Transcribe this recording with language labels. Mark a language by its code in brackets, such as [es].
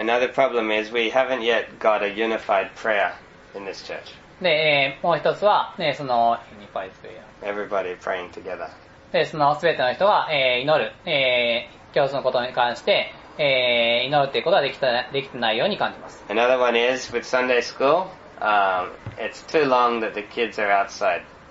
[en] Another problem is we haven't yet got a unified prayer in this church. [ja] で、もう一つは、その、 [en] Everybody praying together. [ja] で、その全ての人が、祈る、共通のことに関して、祈るということはできてないように感じます。 [en] Another one is with Sunday school. It's too long that the kids are outside.